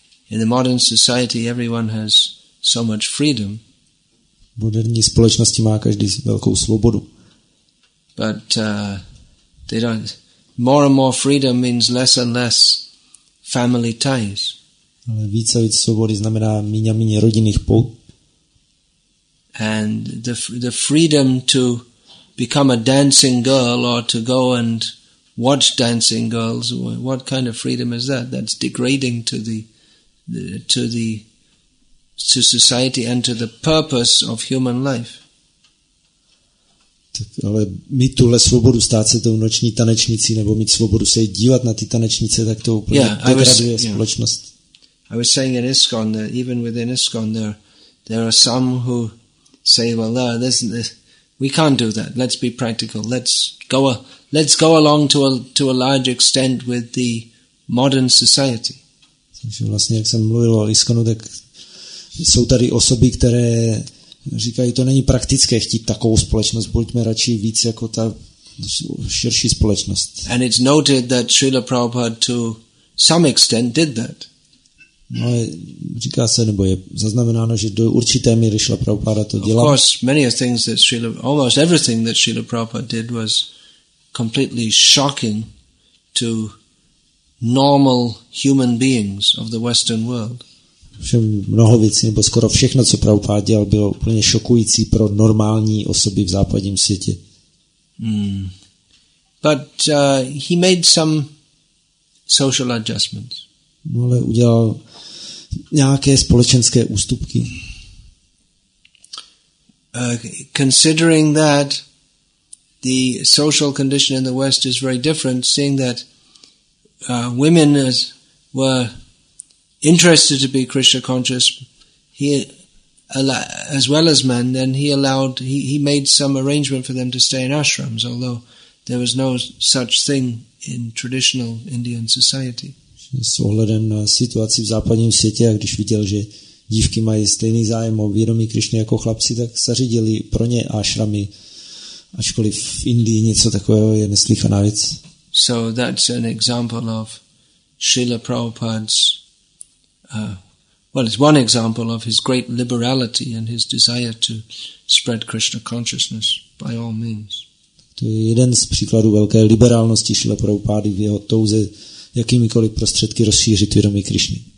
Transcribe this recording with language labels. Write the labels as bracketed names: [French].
[English] In the modern society, everyone has so much freedom. [Czech] V moderní společnosti má každý velkou svobodu. [English] But they don't. More and more freedom means less and less family ties. [Czech] Ale víc a víc svobody znamená míň a míň rodinných pout. [English] And the freedom to become a dancing girl or to go and watch dancing girls, what kind of freedom is that? That's degrading to society and to the purpose of human life. [Czech] Tak, ale mít tuhle svobodu stát se tou noční tanečnicí nebo mít svobodu se dívat na ty tanečnice, tak to úplně degraduje společnost. [English] I was saying in ISKCON that even within ISKCON there are some who say, well, no, this we can't do that. Let's be practical. Let's go along to a large extent with the modern society. [Czech] Takže vlastně, jak jsem mluvil o ISKCONu, tak jsou tady osoby, které říkají, to není praktické chtít takovou společnost, buďme radši víc jako ta širší společnost. [English] And it's noted that Srila Prabhupada to some extent did that. [Czech] No, říká se, nebo je zaznamenáno, že do určité míry Srila Prabhupada to dělal. [English] Of course, many of things that Srila, almost everything that Srila Prabhupada did was completely shocking to normal human beings of the Western world. [Czech] Všem mnoho věcí, nebo skoro všechno, co Prabhupada dělal, bylo úplně šokující pro normální osoby v západním světě. [English] But he made some social adjustments. [Czech] No, ale udělal nějaké společenské ústupky. [English] Considering that the social condition in the West is very different, seeing that women were interested to be Krishna conscious, he as well as men, then he made some arrangement for them to stay in ashrams, although there was no such thing in traditional Indian society. [Czech] S ohledem na situaci v západním světě, a když viděl, že dívky mají stejný zájem o vědomí Krišny jako chlapci, tak zařídili pro ně ashramy, ačkoliv v Indii něco takového je neslýchaná věc. [English] So that's an example of Srila Prabhupada's it's one example of his great liberality and his desire to spread Krishna consciousness by all means. [Czech] To je jeden z příkladů velké liberálnosti Srila Prabhupády v jeho touze jakýmikoliv prostředky rozšířit vědomí Krišny.